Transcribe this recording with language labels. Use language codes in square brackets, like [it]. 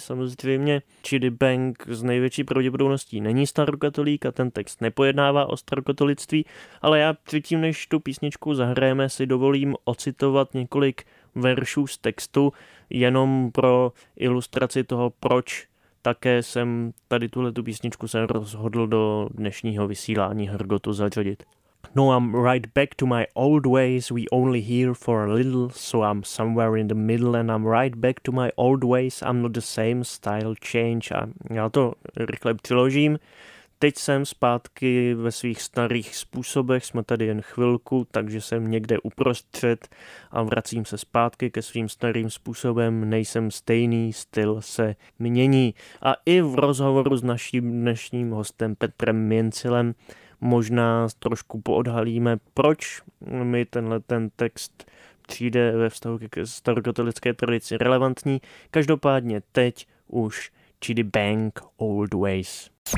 [cs] Samozřejmě Chidi Bang z největší pravděpodobností není starokatolík a ten text nepojednává o starokatolictví, ale já předtím, než tu písničku zahrajeme, si dovolím ocitovat několik veršů z textu, jenom pro ilustraci toho, proč také jsem tady tuhletu písničku se rozhodl do dnešního vysílání Hrgotu zařadit. [en] No, I'm right back to my old ways, we only hear for a little, so I'm somewhere in the middle and I'm right back to my old ways, I'm not the same, style change. [cs] A já to rychle přiložím. Teď jsem zpátky ve svých starých způsobech, jsme tady jen chvilku, takže jsem někde uprostřed a vracím se zpátky ke svým starým způsobem, nejsem stejný, styl se mění. A i v rozhovoru s naším dnešním hostem Petrem Měncilem možná trošku poodhalíme, proč mi tenhle ten text přijde ve vztahu k starokatolické tradici relevantní. Každopádně teď už Chidi Bang, Old Ways.